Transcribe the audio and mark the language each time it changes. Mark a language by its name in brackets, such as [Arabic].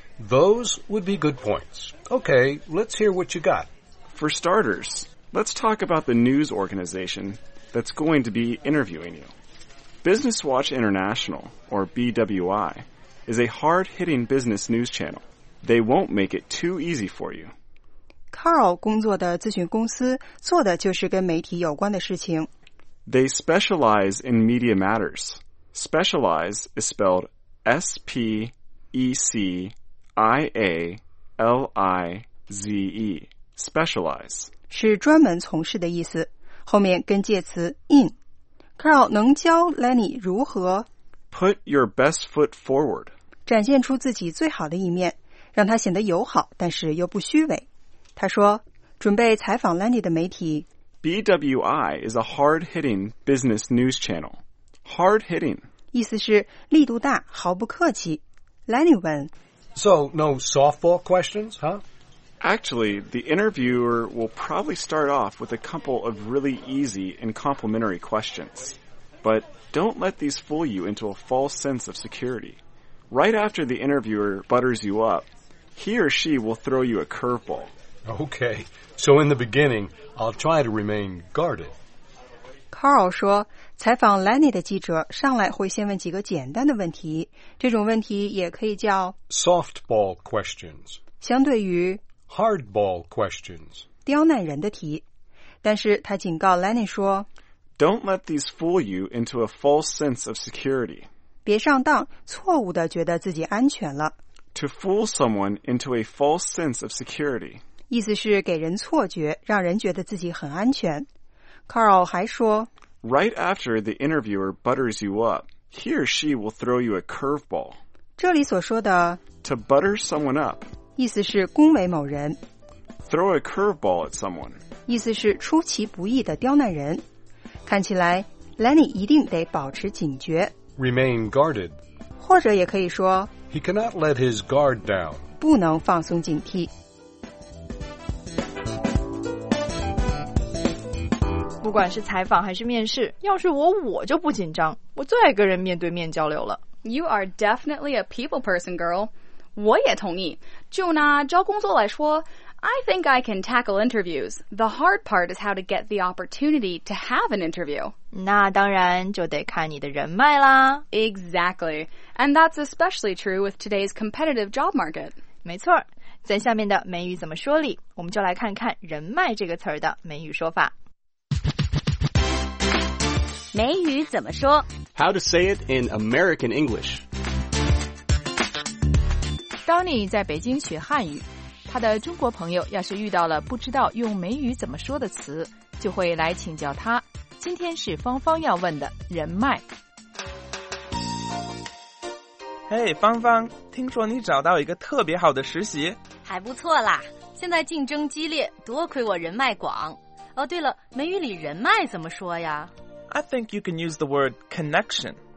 [English] Those would be good points. Okay, let's hear what you got. For starters, let's talk about the news organization that's going to be interviewing you. Business Watch International, or BWI, is a hard-hitting business news channel. They won't make it too easy for you. [Chinese] Carl 工作的咨询公司做的就是跟媒体有关的事情。 [English] They specialize in media matters. Specialize is spelled S-P-E-C-I-A-L-I-Z-E. Specialize. [Chinese] 是专门从事的意思，后面跟介词 in。 Carl 能教 Lenny 如何 [English] Put your best foot forward. [Chinese] 展现出自己最好的一面，让他显得友好，但是又不虚伪。他说，准备采访 Lenny 的媒体。 [English] BWI is a hard-hitting business news channel. Hard-hitting. [Chinese] 意思是力度大，毫不客气。 Lenny 问。 [English] So, no softball questions, huh? Actually, the interviewer will probably start off with a couple of really easy and complimentary questions. But Don't let these fool you into a false sense of security. Right after the interviewer butters you up, he or she will throw you a curveball. Okay, so in the beginning, I'll try to remain guarded. [Chinese] Carl 说，采访 Lenny 的记者上来会先问几个简单的问题，这种问题也可以叫 [English] softball questions， [Chinese] 相对于 [English] hardball questions， [Chinese] 刁难人的题。但是他警告 Lenny 说， [English] Don't let these fool you into a false sense of security. [Chinese] 别上当，错误地觉得自己安全了。 [English] To fool someone into a false sense of security. [Chinese] 意思是给人错觉，让人觉得自己很安全。 Carl 还说 [English] ，Right after the interviewer butters you up, he or she will throw you a curveball. [Chinese] 这里所说的 [English] to butter someone up， [Chinese] 意思是恭维某人。 [English] Throw a curveball at someone， [Chinese] 意思是出其不意的刁难人。看起来 ，Lenny 一定得保持警觉 [English] ，remain guarded， [Chinese] 或者也可以说 [English] ，He cannot let his guard down， [Chinese] 不能放松警惕。不管是采访还是面试，要是我就不紧张，我最爱跟人面对面交流了。 [English] You are definitely a people person, girl. [Chinese] 我也同意。就拿招工作来说 [English] ，I think I can tackle interviews. The hard part is how to get the opportunity to have an interview. [Chinese] 那当然就得看你的人脉啦。 [English] Exactly, and that's especially true with today's competitive job market. [Chinese] 没错，在下面的美语怎么说里，我们就来看看人脉这个词儿的美语说法。美语怎么说 [English] How to say it in American English. [Chinese] Donnie 在北京学汉语，他的中国朋友要是遇到了不知道用美语怎么说的词，就会来请教他。今天是芳芳要问的人脉。 Hey, 芳芳，听说你找到一个特别好的实习。还不错啦，现在竞争激烈，多亏我人脉广。哦，对了，美语里人脉怎么说呀？ [English] I think you can use the word connection.